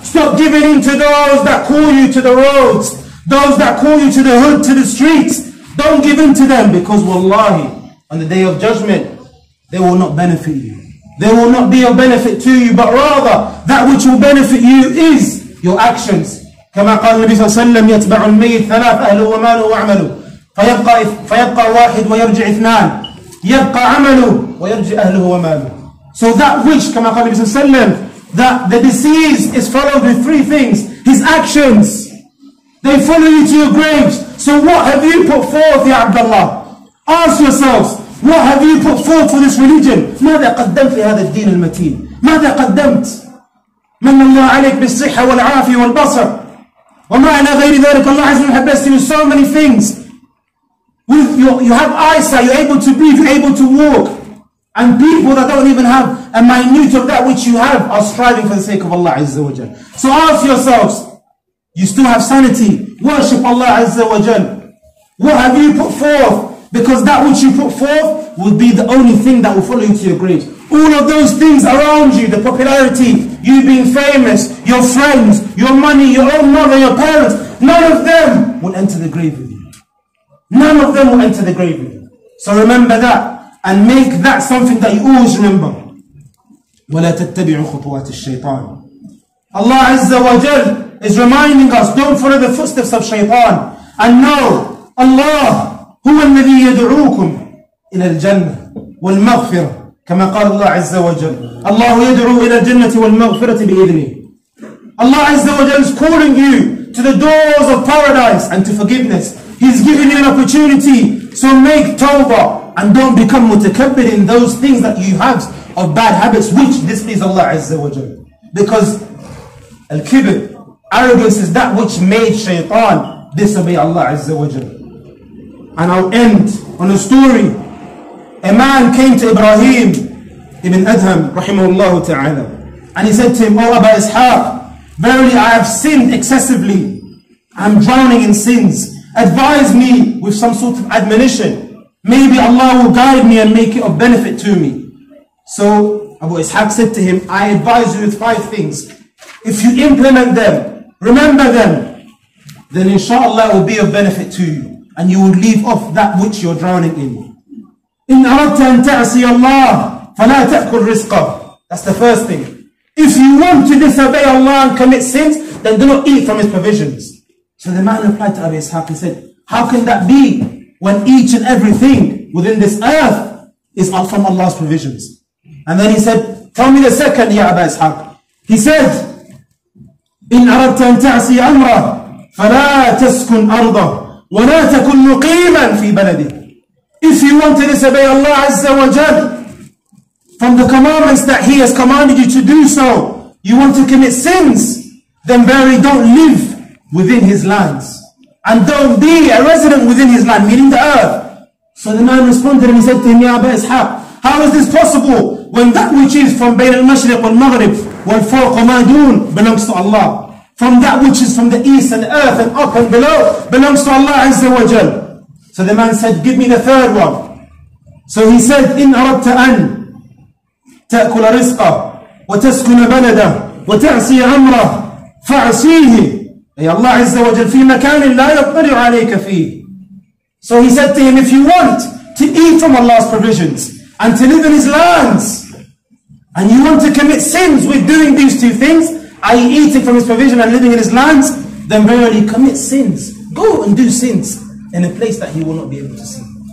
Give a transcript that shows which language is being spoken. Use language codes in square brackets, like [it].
[en] Stop giving in to those that call you to the roads, those that call you to the hood, to the streets. Don't give in to them, because wallahi, on the day of judgment, they will not benefit you. They will not be a benefit to you, but rather, that which will benefit you is your actions. [ar] كما قال النبي صلى الله عليه وسلم يتبع الميت ثلاث أهله وماله وعمله فيبقى واحد ويرجع اثنان يبقى عمله ويرجع أهله وماله. [en] So that which, [ar] كما قال النبي صلى الله عليه وسلم, [en] that the disease is followed with three things. His actions, they follow you to your graves. So what have you put forth, Ya Abdullah? Ask yourselves, what have you put forth for this religion? [ar] ماذا قدمت لهذا الدين المتين؟ ماذا قدمت؟ من الله عليك بالصحة والعافية والبصر وما إلى غير ذلك. الله عز وجل [en] has blessed you with so many things. With you have eyesight, you're able to breathe, you're able to walk. And people that don't even have a minute of that which you have are striving for the sake of Allah Azza wa Jal. So ask yourselves, you still have sanity, worship Allah Azza wa Jal. What have you put forth? Because that which you put forth will be the only thing that will follow you to your graves. All of those things around you, the popularity, you being famous, your friends, your money, your own mother, your parents, none of them will enter the grave with you. None of them will enter the grave with you. So remember that and make that something that you always remember. [ar] وَلَا تَتَّبِعُ خُطُوَاتِ الشَّيْطَانِ. [en] Allah Azza wa Jal is reminding us, don't follow the footsteps of shaytan. And know, Allah, [ar] هو الذي يدعوكم إلى الجنة والمغفرة كما قال الله عز وجل. الله يدعو إلى الجنة والمغفرة بإذنه. [en] Allah [ar] عز وجل [en] is calling you to the doors of paradise and to forgiveness. He's giving you an opportunity. So make tawbah and don't become متكبر in those things that you have of bad habits which displease Allah [ar] عز وجل. [en] Because الكبر, arrogance is that which made shaytan disobey Allah [ar] عز وجل. [en] And I'll end on a story. A man came to Ibrahim ibn Adham rahimahullah ta'ala, and he said to him, "Oh Abu Ishaq, verily I have sinned excessively. I'm drowning in sins. Advise me with some sort of admonition. Maybe Allah will guide me and make it of benefit to me." So Abu Ishaq said to him, "I advise you with five things. If you implement them, remember them, then inshallah it will be of benefit to you. And you will leave off that which you're drowning in." [ar] إن أردت أن تعصي الله فلا تأكل رزقه. [en] That's the first thing. If you want to disobey Allah and commit sins, then do not eat from His provisions. So the man replied to Abu Ishaq and said, how can that be when each and everything within this earth is not from Allah's provisions? And then he said, tell me the second, Ya Abu Ishaq. He said, [ar] إن أردت أن تعصي أمره فلا تسكن أرضه ولا تكن مقيما في بلده. [en] If you want to disobey Allah Azza wa Jal from the commandments that He has commanded you to do so, you want to commit sins, then verily don't live within His lands. And don't be a resident within His land, meaning the earth. So the man responded and he said to him, Ya Abu Ishaq, how is this possible when that which is from [ar] Bayn al-Mashriq wal-Maghrib wal-Furq wa-Madun [en] belongs to Allah? From that which is from the east and earth and up and below belongs to Allah Azza wa Jal. So the man said, give me the third one. [ar] So he said, إِنْ أَرَبْتَ أَنْ تَأْكُلَ رِزْقَ وَتَسْكُنَ بَلَدَهُ وَتَعْصِيَ أَمْرَهُ فَعْصِيهِ. أي الله عز وجل في مكان لا يطلع عليك فيه. [en] So he said to him, if you want to eat from Allah's provisions and to live in His lands, and you want to commit sins with doing these two things, i.e. eating from His provision and living in His lands, then verily commit sins. Go and do sins in a place that he will not be able to see.